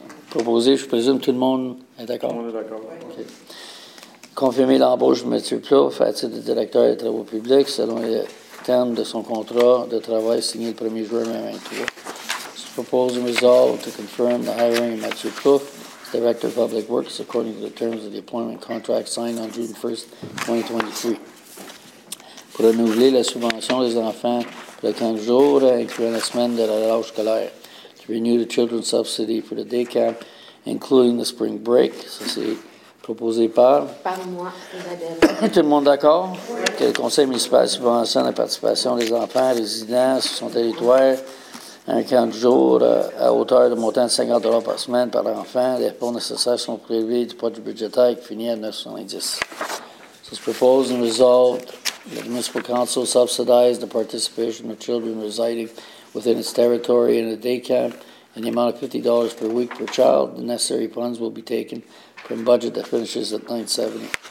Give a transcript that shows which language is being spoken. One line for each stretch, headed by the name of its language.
French: Proposé, je présume, tout le monde est d'accord? Tout le monde est d'accord. Okay. Confirmer l'embauche de M. Plouffe à titre de directeur des travaux publics selon les termes de son contrat de travail signé le 1er juin 2023.
English: So propose a resolve to confirm the hiring of M. Plouffe as director of public works according to the terms of the employment contract signed on June 1st, 2023.
French: Pour renouveler la subvention des enfants pour le 15 jours, incluant la semaine de la relâche scolaire.
English: To renew the children's subsidy for the day camp, including the spring break.
French: Ça, c'est proposé par... Par moi, Isabelle. Tout le monde d'accord? Oui. Que le conseil municipal subventionne la participation des enfants résidents sur son territoire un camp de jour à hauteur de montant de 50 $ par semaine par enfant. Les fonds nécessaires sont prévus du budget budgétaire qui finit à 9,70. Ça, se propose
English: and resolved. The municipal council subsidized the participation of children residing within its territory in a day camp in the amount of $50 per week per child. The necessary funds will be taken from budget that finishes at 970.